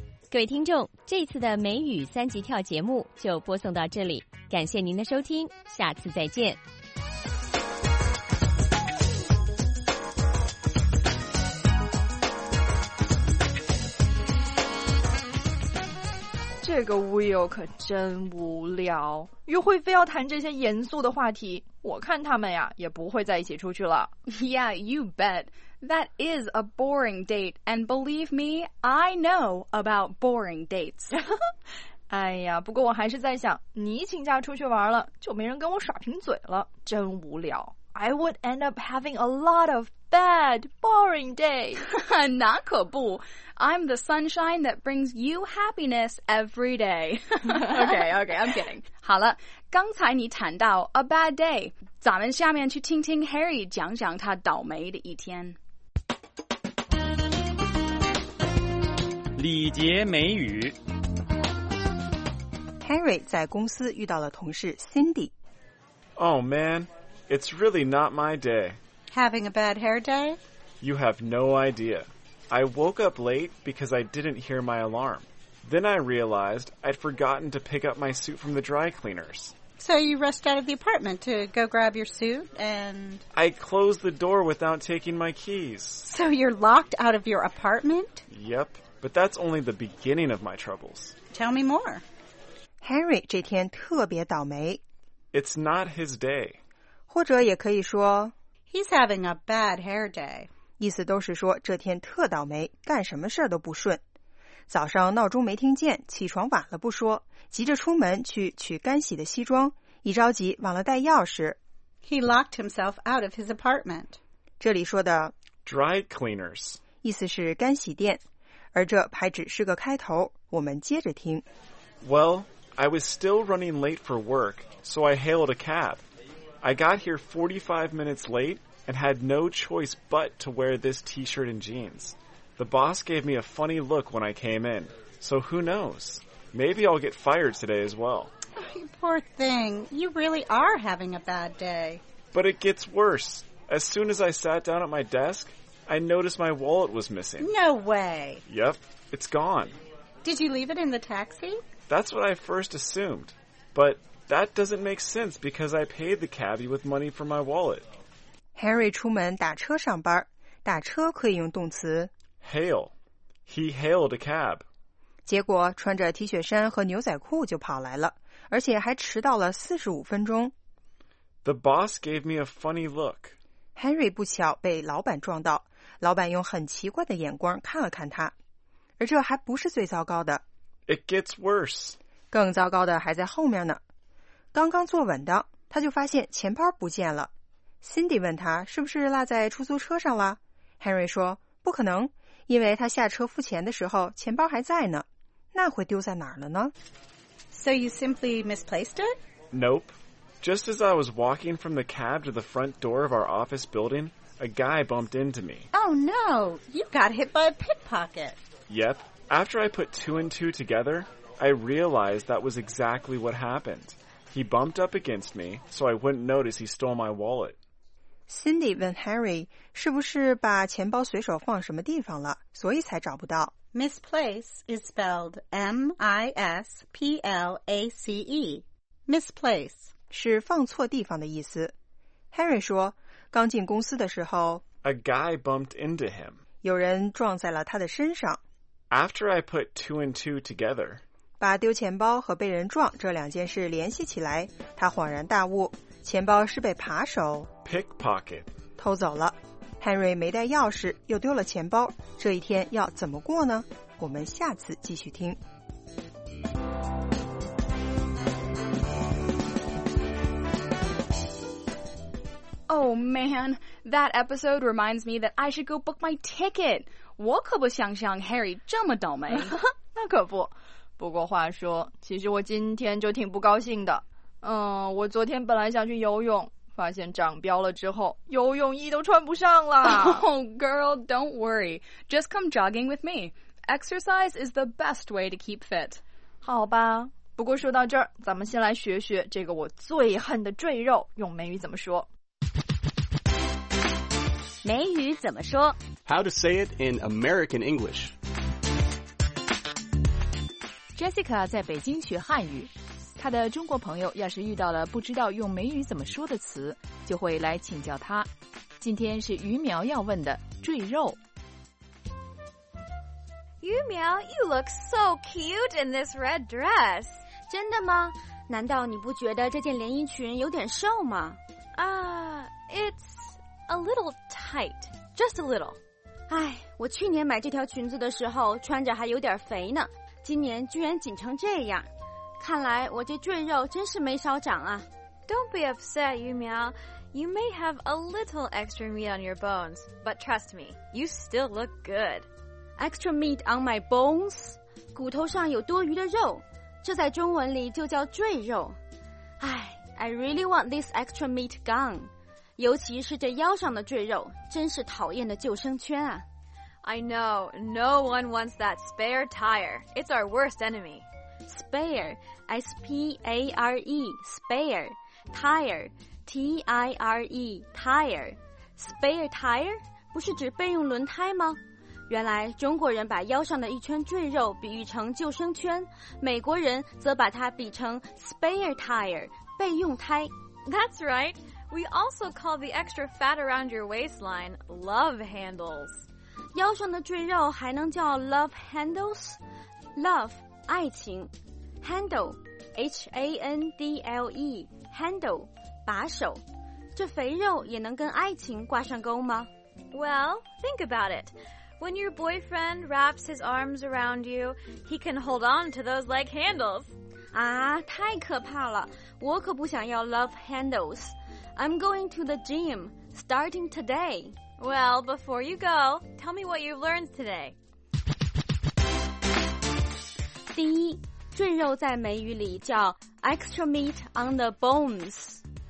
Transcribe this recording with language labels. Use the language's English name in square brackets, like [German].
[Chinese] 各位听众，这次的美语三级跳节目就播送到这里，感谢您的收听，下次再见。这个 Will 可真无聊，约会非要谈这些严肃的话题。我看他们呀，也不会在一起出去了。 [English] Yeah, you bet. That is a boring date. And believe me, I know about boring dates. [Chinese] 哎呀，不过我还是在想，你请假出去玩了，就没人跟我耍贫嘴了，真无聊。 [English] I would end up having a lot of bad, boring days. [Chinese] 那可不。 [English] I'm the sunshine that brings you happiness every day. okay, I'm kidding. [Chinese] 好了，刚才你谈到 [English] a bad day, [Chinese] 咱们下面去听听 Harry 讲讲他倒霉的一天。礼节美语。 Harry 在公司遇到了同事 Cindy。 [English] Oh man, it's really not my day. Having a bad hair day? You have no idea. I woke up late because I didn't hear my alarm. Then I realized I'd forgotten to pick up my suit from the dry cleaners. So you rushed out of the apartment to go grab your suit and... I closed the door without taking my keys. So you're locked out of your apartment? Yep, but that's only the beginning of my troubles. Tell me more. [Chinese] Harry 这天特别倒霉。 [English] It's not his day. [Chinese] 或者也可以说 [English] He's having a bad hair day. [Chinese] 意思都是说这天特倒霉，干什么事都不顺。早上闹钟没听见，起床晚了不说，急着出门去取干洗的西装，一着急忘了带钥匙。 [English] He locked himself out of his apartment. [Chinese] 这里说的 [English] dry cleaners [Chinese] 意思是干洗店，而这还只是个开头，我们接着听。 [English] Well, I was still running late for work, so I hailed a cab. I got here 45 minutes late,and had no choice but to wear this t-shirt and jeans. The boss gave me a funny look when I came in, so who knows? Maybe I'll get fired today as well. Oh, poor thing, you really are having a bad day. But it gets worse. As soon as I sat down at my desk, I noticed my wallet was missing. No way. Yep, it's gone. Did you leave it in the taxi? That's what I first assumed, but that doesn't make sense because I paid the cabbie with money for my wallet. [Chinese] Harry 出门打车上班，打车可以用动词 [English] hail. He hailed a cab. [Chinese] 结果穿着 T 恤衫和牛仔裤就跑来了，而且还迟到了45分钟。 [English] The boss gave me a funny look. [Chinese] Harry 不巧被老板撞到，老板用很奇怪的眼光看了看他。而这还不是最糟糕的。 [English] It gets worse. [Chinese] 更糟糕的还在后面呢。刚刚坐稳的，他就发现钱包不见了。Cindy 问他是不是落在出租车上了 ？Harry 说不可能，因为他下车付钱的时候钱包还在呢。那会丢在哪儿了呢 [English] ？So you simply misplaced it? Nope. Just as I was walking from the cab to the front door of our office building, a guy bumped into me. Oh no! You got hit by a pickpocket. Yep. After I put two and two together, I realized that was exactly what happened. He bumped up against me, so I wouldn't notice he stole my wallet. [Chinese] Cindy 问 Harry, 是不是把钱包随手放什么地方了，所以才找不到。 [English] Misplace is spelled M-I-S-P-L-A-C-E. Misplace [Chinese] 是放错地方的意思。 Harry 说，刚进公司的时候 [English] ，A guy bumped into him. [Chinese] 有人撞在了他的身上。 [English] After I put two and two together. [Chinese] 把丢钱包和被人撞这两件事联系起来，他恍然大悟，钱包是被扒手 [English] pickpocket [Chinese] 偷走了。 Henry 没带钥匙，又丢了钱包，这一天要怎么过呢？我们下次继续听。 [English] Oh man, that episode reminds me that I should go book my ticket. [Chinese] 我可不想像 Harry 这么倒霉。那可不。不过话说，其实我今天就挺不高兴的。我昨天本来想去游泳，发现长膘了之后，游泳衣都穿不上了。 [English] Oh girl, don't worry. Just come jogging with me. Exercise is the best way to keep fit. [Chinese] 好吧。不过说到这儿，咱们先来学学这个我最恨的赘肉，用美语怎么说。美语怎么说？ [English] How to say it in American English. [Chinese] Jessica 在北京学汉语，她的中国朋友要是遇到了不知道用美语怎么说的词，就会来请教她。今天是鱼苗要问的赘肉。 [English] 鱼苗， you look so cute in this red dress. [Chinese] 真的吗？难道你不觉得这件连衣裙有点瘦吗？ [English] It's a little tight, just a little. [Chinese] 哎，我去年买这条裙子的时候穿着还有点肥呢，今年居然紧成这样，看来我这赘肉真是没少长啊。 [English] Don't be upset, Yumiao. You may have a little extra meat on your bones, but trust me, you still look good. Extra meat on my bones? [Chinese] 骨头上有多余的肉，这在中文里就叫赘肉。 [English] 哎， I really want this extra meat gone. [Chinese] 尤其是这腰上的赘肉，真是讨厌的救生圈啊。 [English] I know, no one wants that spare tire. It's our worst enemy. Spare, S-P-A-R-E, spare, tire, T-I-R-E, tire. Spare tire? [Chinese] 不是指备用轮胎吗？原来中国人把腰上的一圈赘肉比喻成救生圈，美国人则把它比成 spare tire, 备用胎。 [English] That's right. We also call the extra fat around your waistline love handles. [Chinese] 腰上的赘肉还能叫 love handles? [English] Love, 爱情。Handle, H-A-N-D-L-E, handle, 把手。 [Chinese] 这肥肉也能跟爱情挂上钩吗？ [English] Well, think about it. When your boyfriend wraps his arms around you, he can hold on to those leg handles. [Chinese] 啊，太可怕了。我可不想要 love handles. [English] I'm going to the gym, starting today. Well, before you go, tell me what you've learned today. [Chinese] 第一，赘肉在美语里叫 [English] extra meat on the bones.